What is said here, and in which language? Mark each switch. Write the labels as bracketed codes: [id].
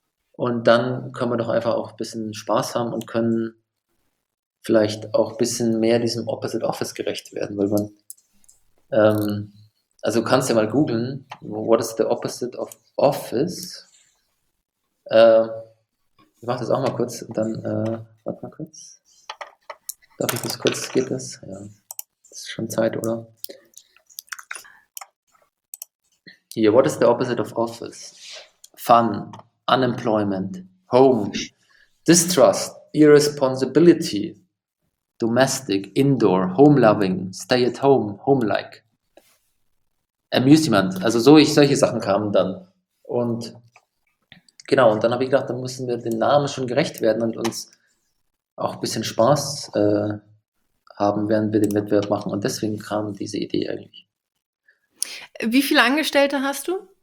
[de] Und dann können wir doch einfach auch ein bisschen Spaß haben und können vielleicht auch ein bisschen mehr diesem Opposite Office gerecht werden, weil man also kannst du ja mal googeln, [en] what is the opposite of office? [de] Ich mach das auch mal kurz und dann, warte mal kurz. Darf ich das kurz, geht das? Ja, das ist schon Zeit, oder? [en] Hier, what is the opposite of office? Fun, unemployment, home, distrust, irresponsibility, domestic, indoor, home loving, stay at home, home like. [de] Amusement, also solche Sachen kamen dann. Und genau, und dann habe ich gedacht, dann müssen wir dem Namen schon gerecht werden und uns auch ein bisschen Spaß haben, während wir den Wettbewerb machen. Und deswegen kam diese Idee eigentlich. Wie viele Angestellte hast du?